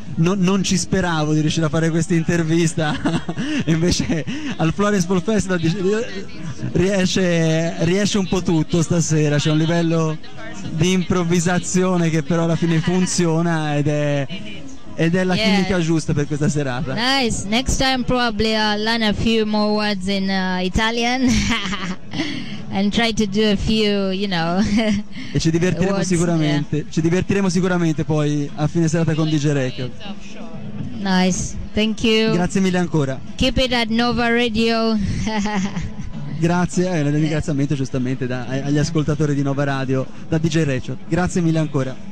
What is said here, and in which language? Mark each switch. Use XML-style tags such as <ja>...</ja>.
<it>Non ci speravo di riuscire a fare questa intervista, invece al Florence Folk Festival riesce un po' tutto stasera, c'è un livello di improvvisazione che però alla fine funziona ed è la chimica giusta per questa serata.</it> <en>Nice, next time probably I'll learn a few more words in Italian and try to do a few, you know.</en> <it>E ci divertiremo</it> <en>words,</en> <it>sicuramente.</it> <en>Yeah.</en> <it>Ci divertiremo sicuramente poi a fine serata con DJ Rachel.</it> <en>Nice, thank you.</en> <it>Grazie mille ancora.</it> <en>Keep it at Nova Radio.</en> <it>Grazie, un ringraziamento giustamente agli ascoltatori di Nova Radio, da DJ Rachel. Grazie mille ancora.</it>